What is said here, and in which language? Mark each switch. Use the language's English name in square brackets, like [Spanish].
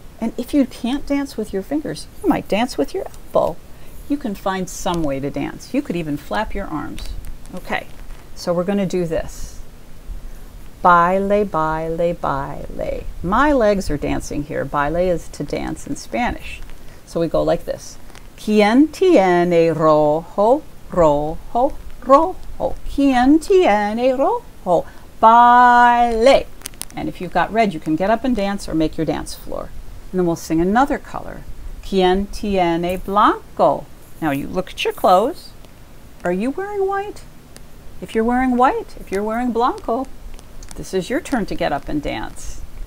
[English] And if you can't dance with your fingers, you might dance with your elbow. You can find some way to dance. You could even flap your arms. Okay, so we're going to do this. [Spanish] Baile, baile, baile. [English] My legs are dancing here. Baile is to dance in Spanish. So we go like this. [Spanish] ¿Quién tiene rojo, rojo, rojo? ¿Quién tiene rojo? Baile. [English] And if you've got red, you can get up and dance or make your dance floor. And then we'll sing another color. [Spanish] ¿Quién tiene blanco? [English] Now you look at your clothes. Are you wearing white? If you're wearing white, if you're wearing blanco, this is your turn to get up and dance.